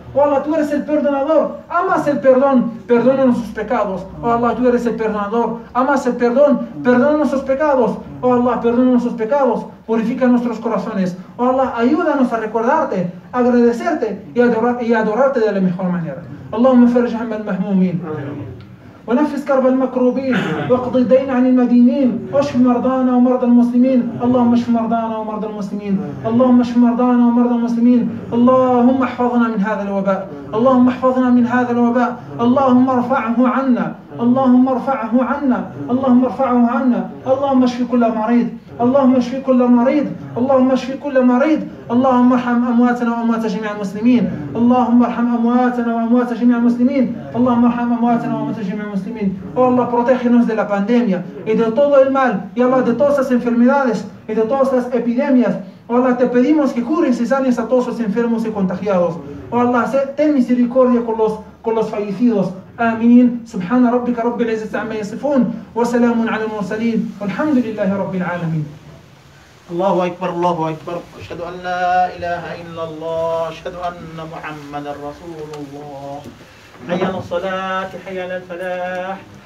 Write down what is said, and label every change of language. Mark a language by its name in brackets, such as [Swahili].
[Spanish] Oh Allah, tú eres el perdonador. Amas el perdón, perdona nuestros pecados. Oh Allah, tú eres el perdonador. Amas el perdón, perdona nuestros pecados. Oh Allah, perdona nuestros pecados. Purifica nuestros corazones. Oh Allah, ayúdanos a recordarte, agradecerte y adorarte de la mejor manera. [Arabic] Allahumma farij hamma al-mahmumin. ونفس كرب المكروبين واقض الدين عن المدينين واشف مرضانا ومرضى المسلمين اللهم اشف مرضانا ومرضى المسلمين اللهم اشف مرضانا ومرضى المسلمين اللهم احفظنا من هذا الوباء اللهم احفظنا من هذا الوباء اللهم ارفعه عنا اللهم ارفعه عنا اللهم ارفعه عنا اللهم اشف كل مريض اللهم اشف كل مريض اللهم اشف كل مريض اللهم ارحم امواتنا واموات جميع المسلمين اللهم ارحم امواتنا واموات جميع المسلمين اللهم ارحم امواتنا واموات جميع المسلمين [Spanish] oh Allah, protégenos de la pandemia y de todo el mal y Allah, de todas las enfermedades y de todas las epidemias. Oh Allah, te pedimos que cures y sanes a todos los enfermos y contagiados. Oh Allah, ten misericordia con los fallecidos. [Arabic] آمين سبحان ربك رب العزة عما يصفون وسلام على المرسلين والحمد لله رب العالمين. الله أكبر الله أكبر أشهد أن لا إله إلا الله أشهد أن محمدا رسول الله حي على الصلاة حي على الفلاح